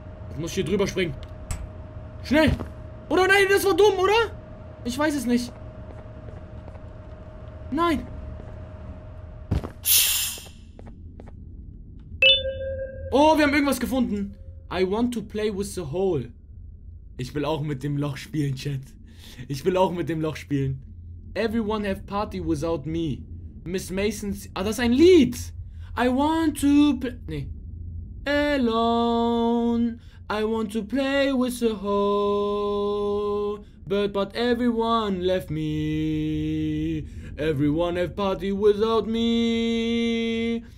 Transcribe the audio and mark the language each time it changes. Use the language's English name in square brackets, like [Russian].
[German] Jetzt muss ich hier drüber springen. Schnell. Oder nein, das war dumm, oder? Ich weiß es nicht. Nein. Oh, wir haben irgendwas gefunden. [English] I want to play with the hole. [German] Ich will auch mit dem Loch spielen, Chat. Ich will auch mit dem Loch spielen. [English] Everyone have party without me. [German] Miss Mason's... Ah, das ist ein Lied. [English] I want to play... [German] Nee. [English] Alone. I want to play with the hole. But everyone left me. Everyone have party without me.